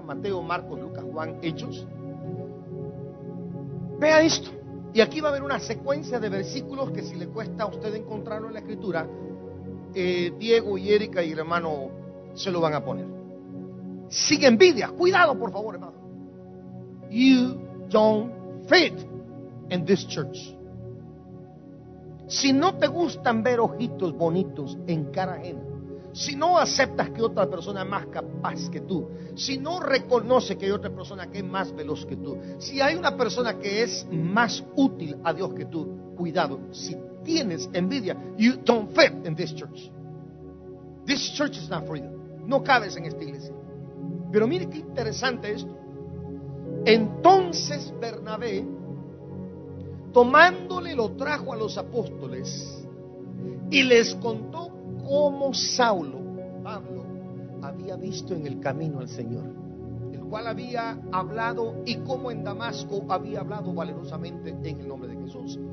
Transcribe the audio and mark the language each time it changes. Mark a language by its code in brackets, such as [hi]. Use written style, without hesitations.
[es] Mateo, Marcos, Lucas, Juan, Hechos. Vea esto. Y aquí va a haber una secuencia de versículos que si le cuesta a usted encontrarlo en la escritura, Diego y Erika y el hermano se lo van a poner. Sin envidia, cuidado por favor, hermano. [en] You don't fit in this church. [es] Si no te gustan ver ojitos bonitos en cara ajena, si no aceptas que otra persona es más capaz que tú, si no reconoce que hay otra persona que es más veloz que tú, si hay una persona que es más útil a Dios que tú, cuidado. Si tienes envidia, [en] you don't fit in this church. This church is not for you. [es] No cabes en esta iglesia. Pero mire qué interesante esto. Entonces Bernabé, tomándole, lo trajo a los apóstoles y les contó cómo Saulo, Pablo, había visto en el camino al Señor, el cual había hablado, y cómo en Damasco había hablado valerosamente en el nombre de Jesús.